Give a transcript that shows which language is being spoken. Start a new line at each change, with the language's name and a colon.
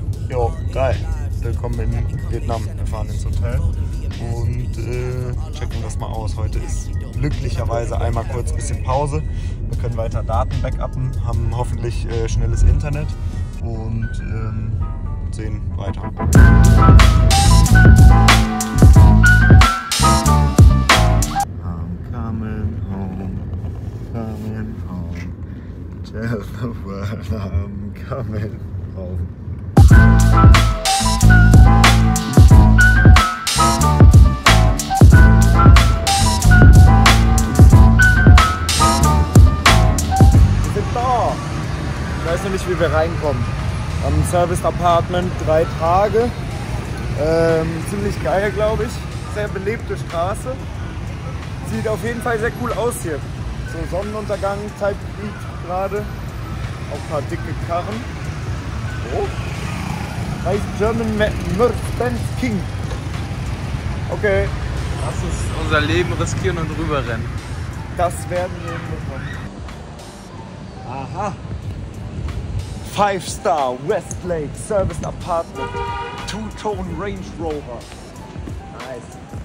German: Jo, geil. Willkommen in Vietnam. Wir fahren ins Hotel und checken das mal aus. Heute ist glücklicherweise einmal kurz ein bisschen Pause. Wir können weiter Daten backuppen, haben hoffentlich schnelles Internet und sehen weiter.
English: I'm coming home, coming home. tell the world I'm coming home.
German: Wir sind da. Ich weiß noch nicht, wie wir reinkommen. Am Service Apartment 3 Tage. Ziemlich geil, glaube ich. Sehr belebte Straße. Sieht auf jeden Fall sehr cool aus hier. So Sonnenuntergang, Zeitgebiet gerade. Auch ein paar dicke Karren. Oh.
English: Nice German Mercedes King. Okay.
German: Lass uns unser Leben riskieren und rüberrennen. Das werden wir hinbekommen.
English: Aha. 5-Star Westlake Service Apartment. 2-Tone Range Rover. Nice.